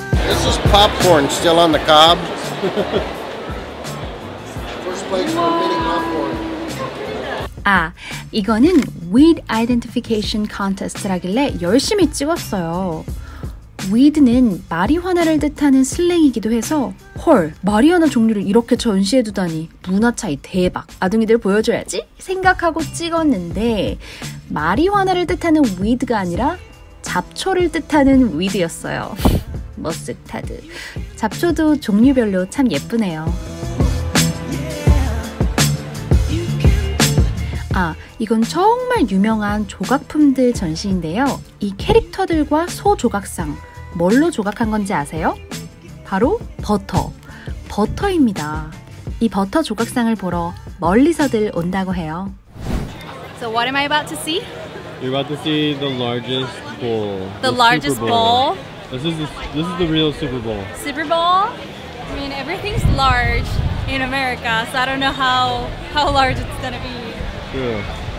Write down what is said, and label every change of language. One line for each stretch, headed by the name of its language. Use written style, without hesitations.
English: Is this popcorn still on the cob? First place for bidding popcorn.
Korean: 아, 이거는 weed identification contest 라길래 열심히 찍었어요. Weed는 마리화나를 뜻하는 슬랭이기도 해서 헐, 마리화나 종류를 이렇게 전시해두다니 문화 차이 대박, 아둥이들 보여줘야지 생각하고 찍었는데 마리화나를 뜻하는 weed가 아니라 잡초를 뜻하는 weed였어요. 머스타드. 잡초도 종류별로 참 예쁘네요. 아, 이건 정말 유명한 조각품들 전시인데요. 이 캐릭터들과 소 조각상, 뭘로 조각한 건지 아세요? 바로 버터. 버터입니다. 이 버터 조각상을 보러 멀리서들 온다고 해요.
English: So what am I about to see? You're about to see the largest bowl. The largest bowl? This is the real Super Bowl. Super Bowl? I mean, everything's large in America, so I don't know how large it's gonna be. True. Yeah.